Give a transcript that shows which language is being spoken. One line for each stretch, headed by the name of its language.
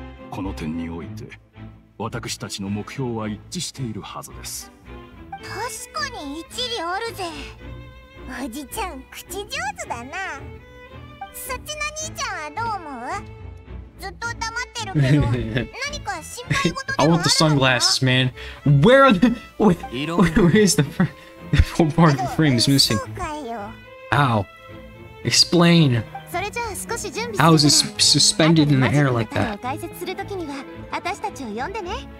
Japanese: この点において私たちの目標は一致しているはずです。確かに一理あるぜ。おじちゃん口上手だな。そっちの兄ちゃんはどう思う？ずっと黙ってるけど何か心配事でもあるのか？
English: I want the sunglasses, man. Where are the... Where is the whole part of the frame is missing? Ow. Explain.
Japanese: それじゃあ少し準備する。
English: How is this suspended in the air like that?
Japanese: 後で解説するときには私たちを呼んでね。